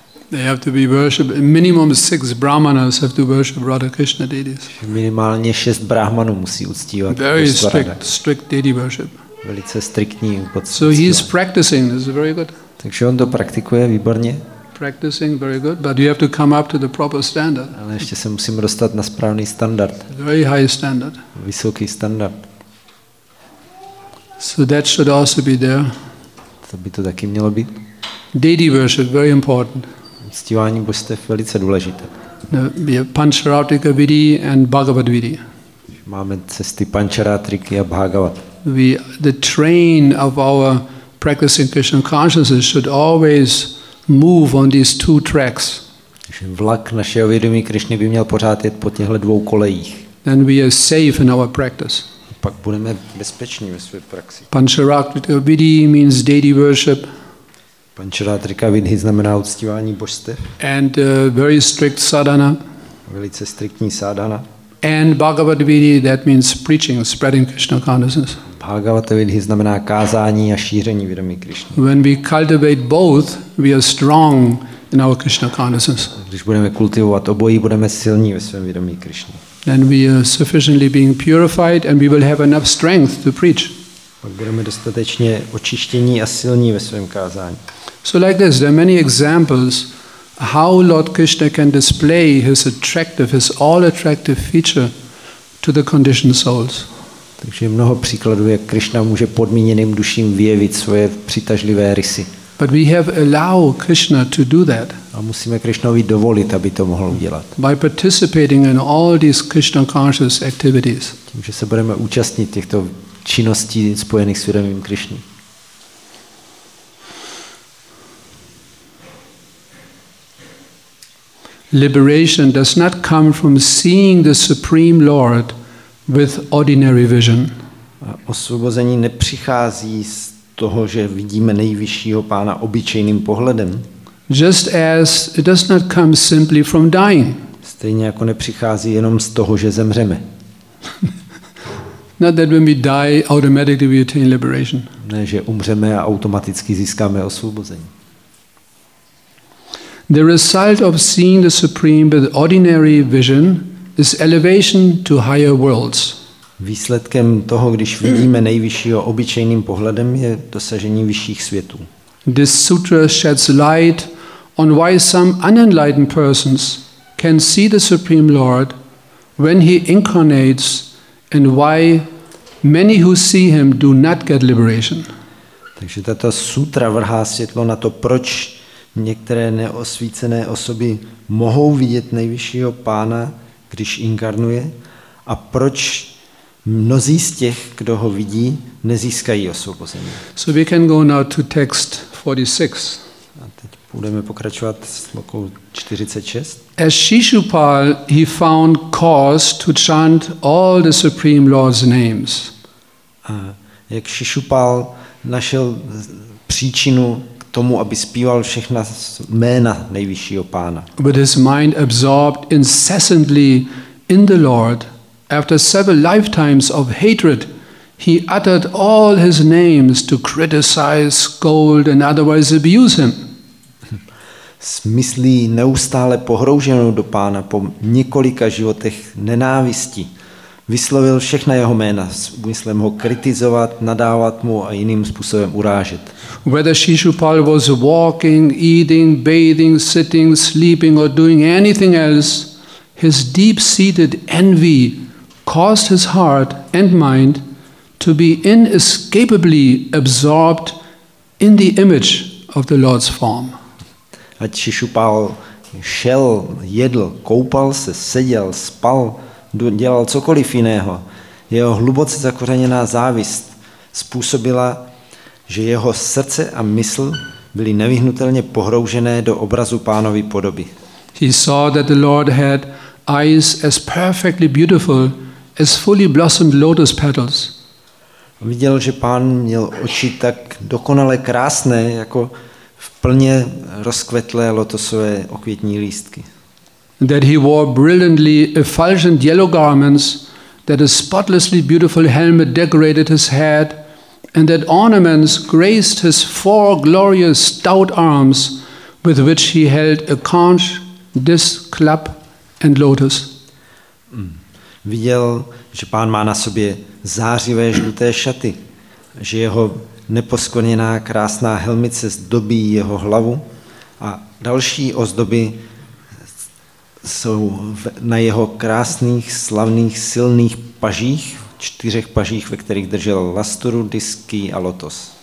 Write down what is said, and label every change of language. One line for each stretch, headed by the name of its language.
English: They have to be worshipped. Minimum six brahmanas have to worship Radha Krishna deities.
Czech: Minimálně šest brahmanů musí uctívat.
English: Very strict deity worship.
Czech: Velice striktní uctívání.
English: So he is practicing. This is very good.
Czech: Takže on to praktikuje výborně.
English: Practicing very good, but you have to come up to the proper standard.
Czech: Ale ještě se musím dostat na správný standard.
English: Very high standard.
Czech: Vysoký standard.
English: So that should also be there.
Czech: To by to taky mělo být.
English: Deity worship very important.
Czech: Uctívání božstev velice důležité.
English: Pancharatrika vidi and Bhagavad vidi.
Czech: Máme cesty Pancharatriky a Bhagavat.
English: The train of our practicing Krishna consciousness should always move on these two tracks.
Czech: Vlak našeho vědomí Krišny by měl pořád jet po těchto dvou kolejích.
English: Then we are safe in our practice.
Czech: Pak budeme bezpeční ve své praxi.
English: Pancharatrika vidi means deity worship.
Czech: Pancharatrika vidhi znamená uctívání božstev.
English: And very strict sadhana.
Czech: Velice striktní sadhana.
English: And Bhagavad vidhi, that means preaching, spreading Krishna consciousness.
Czech: Bhagavad vidhi znamená kázání a šíření vědomí Krišny.
English: When we cultivate both, we are strong in our Krishna consciousness.
Czech: Když budeme kultivovat obojí, budeme silní ve svém vědomí Krišny.
English: Then we are sufficiently being purified and we will have enough strength to preach.
Czech: Pak budeme dostatečně očištění a silní ve svém kázání.
English: So like this, there are many examples how Lord Krishna can display his attractive, his all-attractive feature to the conditioned souls.
Czech: Takže mnoho příkladů, jak Krishna může podmíněným duším vyjevit svoje přitažlivé rysy.
English: But we have allowed Krishna to do that.
Czech: A musíme Krishnovi dovolit, aby to mohl udělat.
English: By participating in all these Krishna conscious activities.
Czech: Tím, že se budeme účastnit těchto činností spojených s vědomím Krišny.
English: Liberation does not come from seeing the Supreme Lord with ordinary vision.
Czech: Osvobození nepřichází z toho, že vidíme nejvyššího pána obyčejným pohledem.
English: Just as it does not come simply from dying.
Czech: Stejně jako nepřichází jenom z toho, že zemřeme.
English: Not that when we die, automatically we attain liberation.
Czech: Ne, že umřeme a automaticky získáme osvobození.
English: The result of seeing the Supreme with ordinary vision is elevation to higher worlds.
Czech: Výsledkem toho, když vidíme nejvyššího obyčejným pohledem, je dosažení vyšších světů.
English: This sutra sheds light on why some unenlightened persons can see the Supreme Lord when he incarnates and why many who see him do not get liberation.
Czech: Takže tato sutra vrhá světlo na to, proč některé neosvícené osoby mohou vidět nejvyššího pána, když inkarnuje, a proč mnozí z těch, kdo ho vidí, nezískají osvobození.
English: So we can go now to text 46.
Czech: A teď budeme pokračovat s slokou 46.
English: As Shishupal, he found cause to chant all the Supreme Lord's names.
Czech: A jak Shishupal našel příčinu k tomu, aby zpíval všechna jména nejvyššího pána.
English: With his mind absorbed incessantly in the Lord, after several lifetimes of hatred, he uttered all his names to criticize, scold, and otherwise abuse him.
Czech: S myslí neustále pohrouženou do pána po několika životech nenávisti, vyslovil všechna jeho jména s úmyslem ho kritizovat, nadávat mu a jiným způsobem urážet.
English: Whether Shishupal was walking, eating, bathing, sitting, sleeping, or doing anything else, his deep-seated envy caused his heart and mind to be inescapably absorbed in the image of the Lord's form.
Czech: Ať Shishupal šel, jedl, koupal se, seděl, spal, dělal cokoliv jiného, jeho hluboce zakořeněná závist způsobila, že jeho srdce a mysl byly nevyhnutelně pohroužené do obrazu pánovy podoby.
English: He saw that the Lord had eyes as perfectly beautiful as fully blossomed lotus petals.
Czech: Viděl, že pán měl oči tak dokonale krásné, jako v plně rozkvetlé lotosové okvětní lístky.
English: That he wore brilliantly effulgent yellow garments, that a spotlessly beautiful helmet decorated his head, and that ornaments graced his four glorious stout arms with which he held a conch, disc, club, and lotus.
Czech: Viděl, že pán má na sobě zářivé žluté šaty, že jeho neposkoněná krásná helmice zdobí jeho hlavu a další ozdoby jsou na jeho krásných, slavných, silných pažích, čtyřech pažích, ve kterých držel lasturu, disky a lotos.